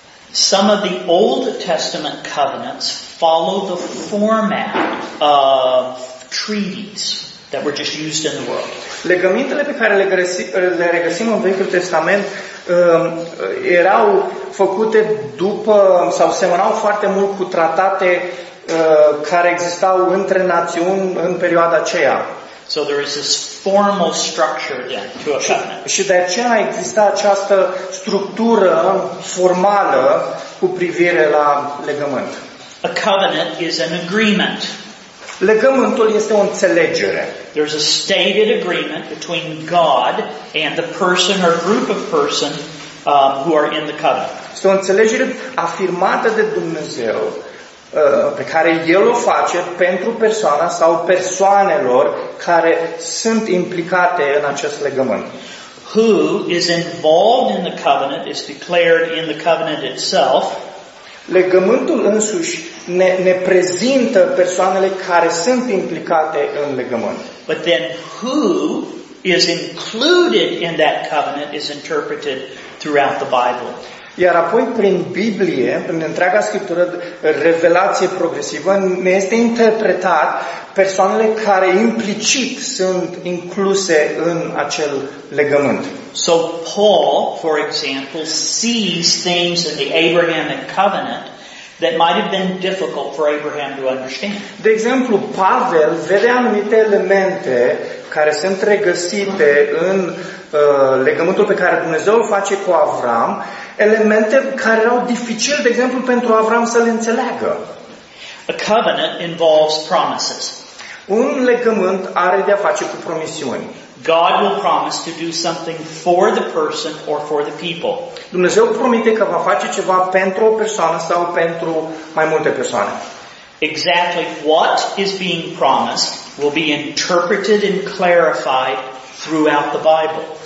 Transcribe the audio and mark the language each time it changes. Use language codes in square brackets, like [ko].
[en] Some of the Old Testament covenants follow the format of treaties that were just used in the world. [ro] Legămintele pe care le regăsim în Vechiul Testament erau făcute după sau semănau foarte mult cu tratate care existau între națiuni în perioada aceea. [en] So there is this formal structure then to a covenant. [ro] Și de aceea exista această structură formală cu privire la legământ. [en] A covenant is an agreement. [ro] Legământul este o înțelegere. [en] There's a stated agreement between God and the person or group of person who are in the covenant. [ro] Este o înțelegere afirmată de Dumnezeu pe care El o face pentru persoana sau persoanelor care sunt implicate în acest legământ. [en] Who is involved in the covenant is declared in the covenant itself. [ro] Legământul însuși ne prezintă persoanele care sunt implicate în legământ. [en] But then who is included in that covenant is interpreted throughout the Bible. [ro] Iar apoi prin Biblie, prin întreaga Scriptură, revelație progresivă, ne este interpretat persoanele care implicit sunt incluse în acel legământ. [en] So Paul, for example, sees things in the Abrahamic covenant that might have been difficult for Abraham to understand. [ro] De exemplu, Pavel vede anumite elemente care sunt regăsite în legământul pe care Dumnezeu îl face cu Avram, elemente care erau dificil, de exemplu, pentru Avram să le înțeleagă. [en] A covenant involves promises. [ro] Un legământ are de a face cu promisiuni. [en] God will promise to do something for the person or for the people. [ro] Dumnezeu promite că va face ceva pentru o persoană sau pentru mai multe persoane. [en] Exactly what is being promised will be interpreted and clarified throughout the Bible.